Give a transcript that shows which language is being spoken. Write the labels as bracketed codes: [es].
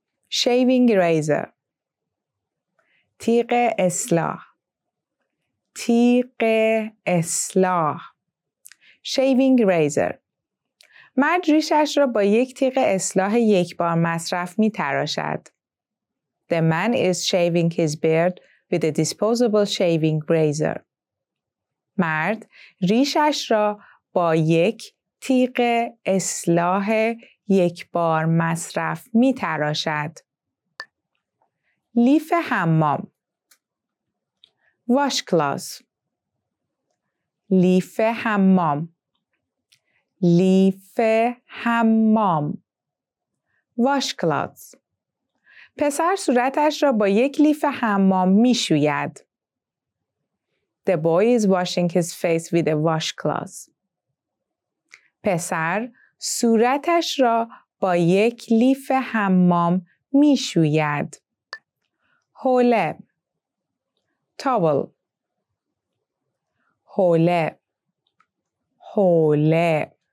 [en] Shaving razor. [fa] تیغ اصلاح. تیغ اصلاح. [en] Shaving razor. [fa] مرد ریشش را با یک تیغ اصلاح یک بار مصرف می تراشد. [en] The man is shaving his beard with a disposable shaving razor. [fa] مرد ریشش را با یک تیغ اصلاح یک بار مصرف می تراشد. لیف حمام. [en] Washcloth. [fa] لیف حمام. لیف حمام. [en] Washcloth. [fa] پسر صورتش را با یک لیف حمام می شوید. [en] The boy is washing his face with a wash cloth. [fa] پسر صورتش را با یک لیف حمام می شوید. حوله. [en] Towel. [fa] حوله. حوله.